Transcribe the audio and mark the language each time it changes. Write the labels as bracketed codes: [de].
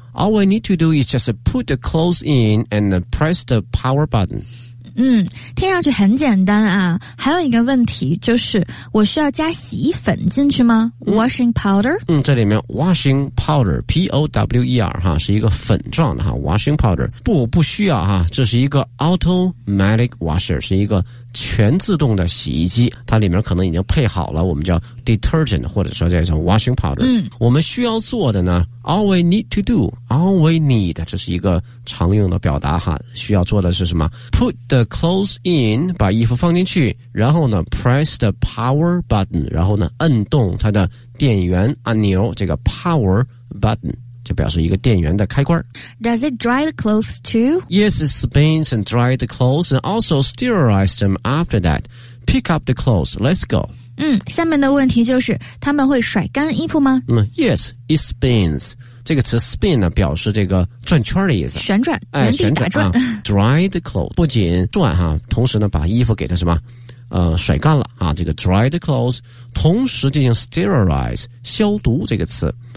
[en] All we need to do is just put the clothes in and press the power button. [zh] 听上去很简单啊。还有一个问题就是我需要加洗衣粉进去吗？ [en] washing powder? [zh] 这里面 washing powder, P-O-W-E-R, 哈，是一个粉状的哈 ,washing powder。不需要哈，这是一个 automatic washer, 是一个全自动的洗衣机，它里面可能已经配好了，我们叫 detergent, 或者说叫什么 washing powder。我们需要做的呢 , [en] all we need to do, all we need, [zh] 这是一个常用的表达哈，需要做的是什么 ? [en] put the clothes in, [zh] 把衣服放进去，然后呢 , [en] press the power button, [zh] 然后呢摁动它的电源按钮，这个 power button。就表示一个电源的开关。 [en] Does it dry the clothes too? Yes, it spins and dry the clothes and also sterilize them after that. Pick up the clothes. Let's go. [zh] 下面的问题就是他们会甩干衣服吗？ [en] Yes, it spins. [zh] 这个词 spin 呢表示这个转圈的意思。旋转，原地打转。 [en] Dry the clothes. [zh] 不仅转哈，同时呢把衣服给它什么甩干了啊，这个 dry the clothes, 同时进行 sterilize, 消毒这个词。